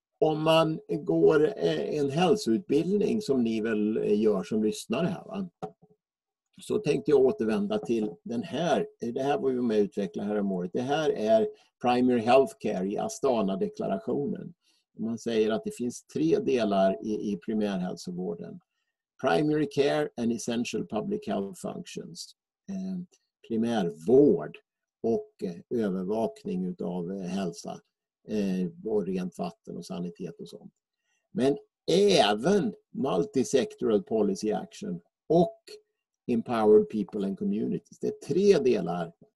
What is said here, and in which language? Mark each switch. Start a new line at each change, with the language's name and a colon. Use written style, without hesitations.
Swedish: Om man går en hälsoutbildning som ni väl gör som lyssnare här, va? Så tänkte jag återvända till den här. Det här var vi med att utveckla här om året. Det här är Primary Healthcare i Astana-deklarationen. Man säger att det finns 3 delar i primärhälsovården.
English: Primary care and essential public health functions.
Swedish: Primärvård och övervakning av hälsa. Och rent vatten och sanitet och sånt. Men även
English: multisectoral policy action
Swedish: och
English: empowered people and communities.
Swedish: Det är 3 delar.